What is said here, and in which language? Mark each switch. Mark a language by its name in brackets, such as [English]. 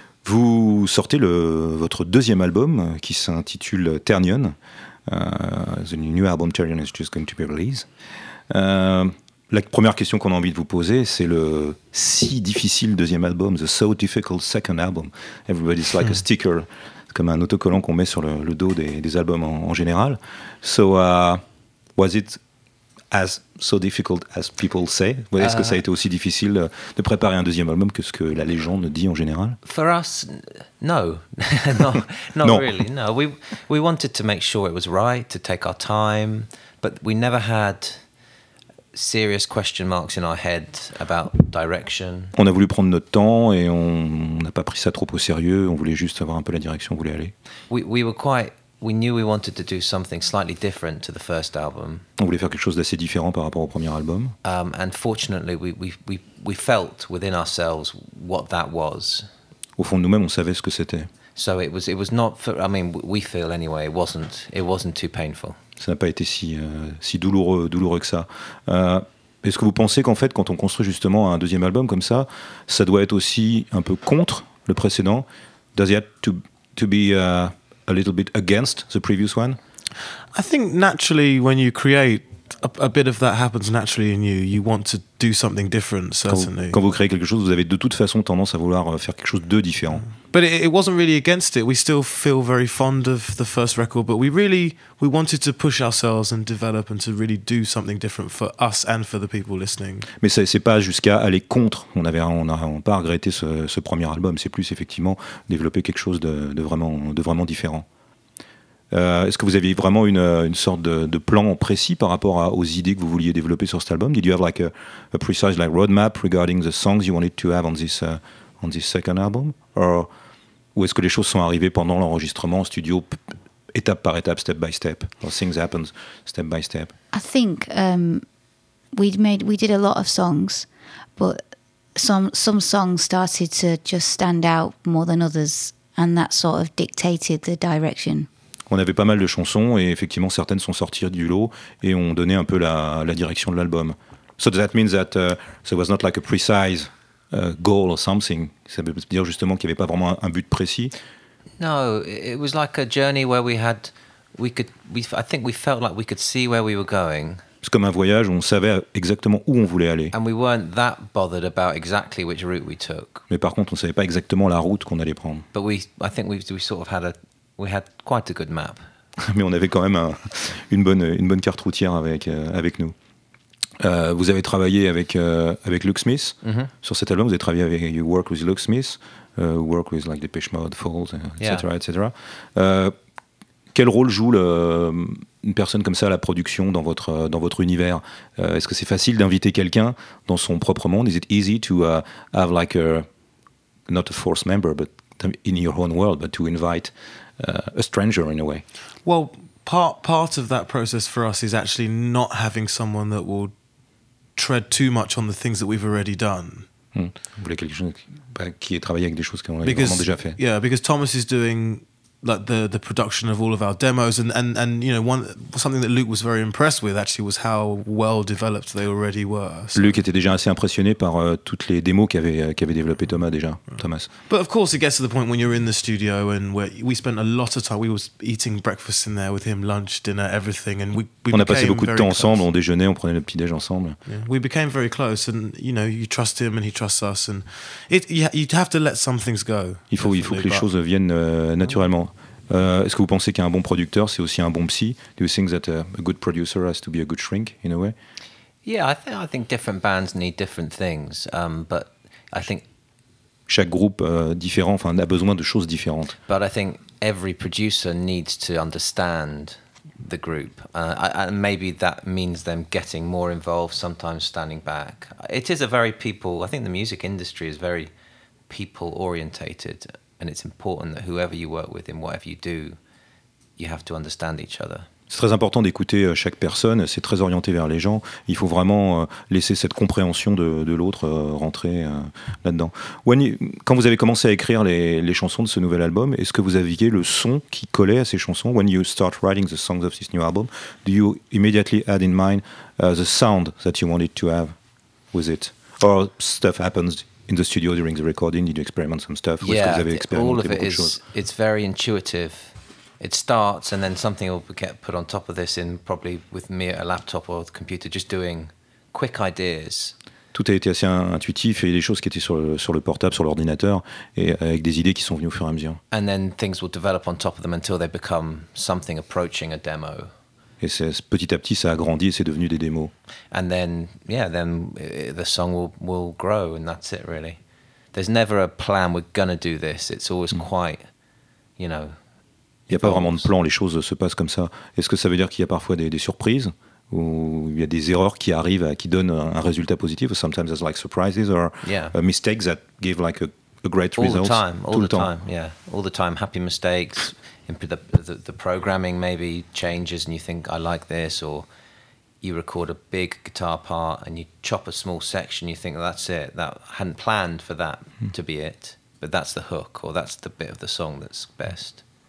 [French] Vous sortez votre deuxième album qui s'intitule Ternion. [English] The new album Ternion is just going to be released. [French] La première question qu'on a envie de vous poser, c'est le si difficile deuxième album, [English] the so difficult second album. Everybody's like a sticker, [French] comme un autocollant qu'on met sur le dos des albums en général. [English] So, was it as so difficult as people say? [French] Est-ce que ça a été aussi difficile de préparer un deuxième album que ce que la légende dit en général? [English] For us, no. really, no. We wanted to make sure it was right, to take our time, but we never had serious question marks in our head about direction. [French] On a voulu prendre notre temps et on n'a pas pris ça trop au sérieux, on voulait juste avoir un peu la direction où on voulait aller. [English] We knew we wanted to do something slightly different to the first album. [French] On voulait faire quelque chose d'assez différent par rapport au premier album. [English] And fortunately, we felt within ourselves what that was. [French] Au fond de nous-mêmes, on savait ce que c'était. [English] So it was not. We feel anyway. It wasn't too painful. [French] Ça n'a pas été si douloureux que ça. Est-ce que vous pensez qu'en fait, quand on construit justement un deuxième album comme ça, ça doit être aussi un peu contre le précédent? [English] Does it have to be a little bit against the previous one? I think naturally when you create, a bit of that happens naturally in you. You want to do something different, certainly. [French] Quand vous créez quelque chose, vous avez de toute façon tendance à vouloir faire quelque chose de différent. [English] But it wasn't really against it. We still feel very fond of the first record, but we wanted to push ourselves and develop and to really do something different for us and for the people listening. [French] Mais c'est pas jusqu'à aller contre. On n'a pas regretté ce premier album. C'est plus effectivement développer quelque chose de vraiment différent. Est-ce que vous aviez vraiment une sorte de plan précis par rapport aux idées que vous vouliez développer sur cet album? [English] Did you have like a precise like roadmap regarding the songs you wanted to have on this second album? [French] Ou est-ce que les choses sont arrivées pendant l'enregistrement en studio, étape par étape, [English] step by step, or things happen step by step? I think we did a lot of songs, but some songs started to just stand out more than others, and that sort of dictated the direction. [French] On avait pas mal de chansons et effectivement certaines sont sorties du lot et ont donné un peu la direction de l'album. [English] So does that mean that there was not like a precise goal or something? [French] Ça veut dire justement qu'il n'y avait pas vraiment un but précis? [English] No, it was like a journey where we felt like we could see where we were going. [French] C'est comme un voyage où on savait exactement où on voulait aller. [English] And we weren't that bothered about exactly which route we took. [French] Mais par contre, on savait pas exactement la route qu'on allait prendre. [English] But we had quite a good map. [French] Mais on avait quand même une bonne carte routière avec nous. Vous avez travaillé avec Luke Smith sur cet album. Vous avez travaillé avec [English] You Work with Luke Smith, Work with like Depeche Mode, Falls, [French] etc. [English] Yeah. [French] etc. Quel rôle joue une personne comme ça à la production dans votre univers? Est-ce que c'est facile d'inviter quelqu'un dans son propre monde? [English] Is it easy to have like a, not a force member, but in your own world, but to invite a stranger in a way? Well, part of that process for us is actually not having someone that will tread too much on the things that we've already done. [French] Vous voulez quelque chose qui ait travaillé avec des choses qu'on a vraiment déjà fait? [English] Yeah, because Thomas is doing like the production of all of our demos, and you know, one something that Luke was very impressed with actually was how well developed they already were. So. [French] Luke était déjà assez impressionné par toutes les démos qu'avait développé Thomas déjà. [English] Right. Thomas. But of course, it gets to the point when you're in the studio and we spent a lot of time. We was eating breakfast in there with him, lunch, dinner, everything, and we. [French] On a passé beaucoup de temps ensemble. On déjeunait, on prenait le petit déj ensemble. [English] Yeah. We became very close, and you know, you trust him, and he trusts us, and you'd have to let some things go. [French] Il faut que les choses viennent naturellement. Est-ce que vous pensez qu'un bon producteur c'est aussi un bon psy? [English] Do you think that a good producer has to be a good shrink in a way? Yeah, I think different bands need different things, but I think [French] chaque groupe différent, enfin, a besoin de choses différentes. [English] But I think every producer needs to understand the group, and maybe that means them getting more involved, sometimes standing back. It is a very people. I think the music industry is very people orientated. And it's important that whoever you work with, in whatever you do, you have to understand each other. [French] C'est très important d'écouter chaque personne. C'est très orienté vers les gens. Il faut vraiment laisser cette compréhension de l'autre rentrer là-dedans. Quand vous avez commencé à écrire les chansons de ce nouvel album, est-ce que vous aviez le son qui collait à ces chansons? [English] When you start writing the songs of this new album, do you immediately add in mind the sound that you wanted to have with it? Or stuff happens in the studio during the recording, did you experiment some stuff? It's very intuitive. It starts and then something will get put on top of this in probably with me at a laptop or the computer, just doing quick ideas. [French] Tout a été assez intuitif et des choses qui étaient sur le portable, sur l'ordinateur, et avec des idées qui sont venues au fur et à mesure. [English] And then things will develop on top of them until they become something approaching a demo. [French] Et petit à petit, ça a grandi et c'est devenu des démos. [English] And then, yeah, then the song will grow, and that's it, really. There's never a plan, we're gonna do this. It's always quite, you know. [French] Il n'y a pas vraiment de plan, les choses se passent comme ça. Est-ce que ça veut dire qu'il y a parfois des surprises, ou il y a des erreurs qui arrivent, qui donnent un résultat positif? [English] Sometimes it's like surprises, or mistakes that give like a great result. All the time, all the time, happy mistakes. The programming maybe changes and you think I like this, or you record a big guitar part and you chop a small section, you think that's it, that I hadn't planned for that to be it, but that's the hook or that's the bit of the song that's best.